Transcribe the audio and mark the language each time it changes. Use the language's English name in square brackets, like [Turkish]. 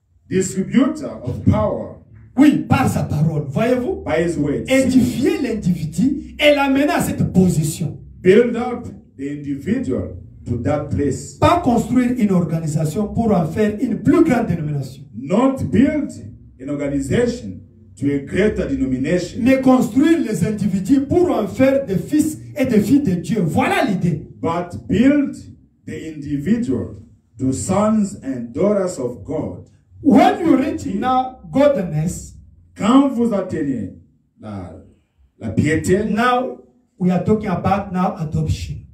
[English] Distributor of power. [French] Oui, par sa parole, voyez-vous? [English] By his words. [French] Édifier l'individu et l'amener à cette position. [English] Build up the individual to that place. [French] Pas construire une organisation pour en faire une plus grande dénomination. [English] Not build an organization to a greater denomination. [French] Mais construire les individus pour en faire des fils et des filles de Dieu. Voilà l'idée. [English] But build the individual to sons and daughters of God. When you reach now godliness, [French] quand vous atteignez la piété, [English] now we are talking about now adoption.